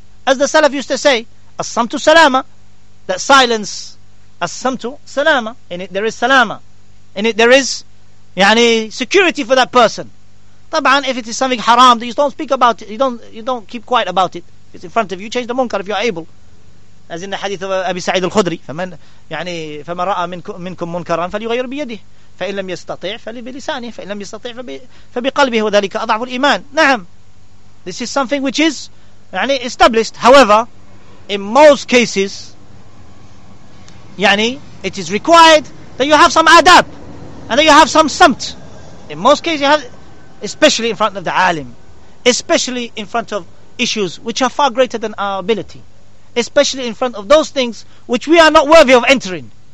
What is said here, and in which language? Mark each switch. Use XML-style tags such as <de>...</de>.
<en>As the Salaf used to say.</en> <ar>As-samtu salama.</ar> <en>That silence.</en> <ar>As-samtu salama.</ar> <en>In it there is salama. In it there is يعني security for that person. طبعاً if it is something haram, you don't speak about it. You don't keep quiet about it. If it's in front of you, change the munkar if you are able. As in the hadith of Abi Sa'id al-Khudri,</en> <ar>فمن يعني فما رأى منكم منكرا فليغير بيده فإن لم يستطع فبلسانه فإن لم يستطع فبقلبه وذلك أضعف الإيمان. نعم.</ar> <en>This is something which is يعني established. However, in most cases, يعني it is required that you have some adab. And then you have some samt. In most cases, you have, especially in front of the alim, especially in front of issues which are far greater than our ability, especially in front of those things which we are not worthy of entering.</en>